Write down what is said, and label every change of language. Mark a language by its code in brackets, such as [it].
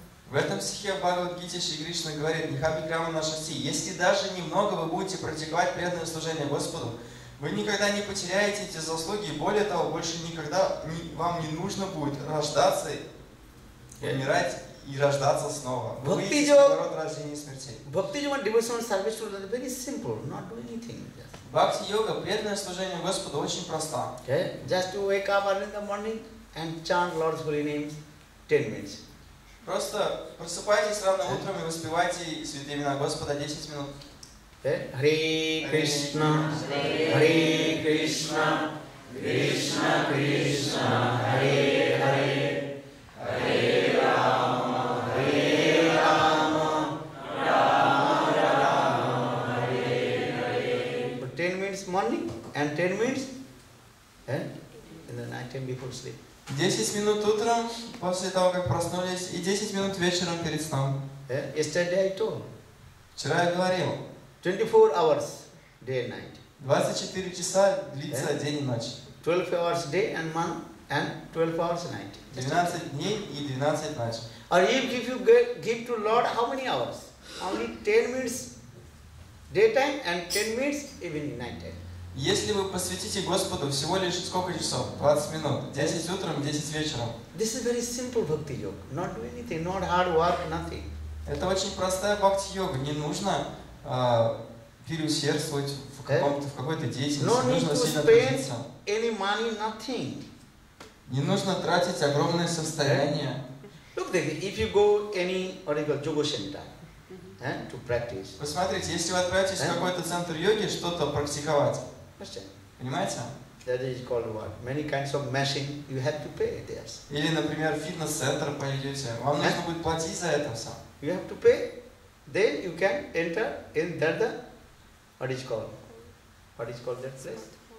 [ru] В этом стихе Бхагавад-гите Шри Кришна говорит: «Нихаби Крама Нашасти, если даже немного вы будете практиковать преданное служение Господу, вы никогда не потеряете эти заслуги, более того, больше никогда вам не нужно будет рождаться, умирать и рождаться снова. Вы выйдете из ворот рождения и смерти». [en] Бхакти-йога, devotional service to the very simple, not doing anything. [ru] Бхакти-йога, преданное служение Господу, очень просто. [en] Just to wake up early in the morning and chant Lord's holy name 10 minutes. [ru] Просто просыпайтесь рано утром и воспевайте святые имена Господа 10 минут. Хари Кришна, Хари Кришна, Кришна Кришна, Хари Хари, Хари Рама, Хари Рама, Рама Рама, Хари Хари. [en] 10 minutes morning and 10 minutes in the night time before sleep. [ru] 10 минут утром, после того, как проснулись, и 10 минут вечером перед сном. [en] Yesterday I told. [ru] Вчера я говорил. [en] 24 hours, day and night. [ru] 24 часа длится день и ночь. [en] 12 hours day and month, and 12 hours night. [ru] 12 дней и 12 ночи. [en] Or if you give to Lord, how many hours? Only 10 minutes daytime and 10 minutes evening night time. [ru] Если вы посвятите Господу всего лишь сколько часов? 20 минут. 10 утром, 10 вечером. [en] This is very simple bhakti yoga. Not do anything, not hard work, nothing. [ru] Это очень простая бхакти йога. Не нужно переусердствовать в каком-то, в какой-то деятельности. Нужно сильно трудиться. [en] Any money, nothing. [ru] Не нужно тратить огромное состояние. [en] Look, if you go any what you call yoga center. To practice. [ru] Посмотрите, если вы отправитесь в какой-то центр йоги что-то практиковать. Понимаете? [en] That is called what? Many kinds of machine you have to pay there. [ru] Или, например, фитнес-центр пойдете, вам нужно будет платить за это все. [en] You have to pay, then you can enter in that the what is called that place?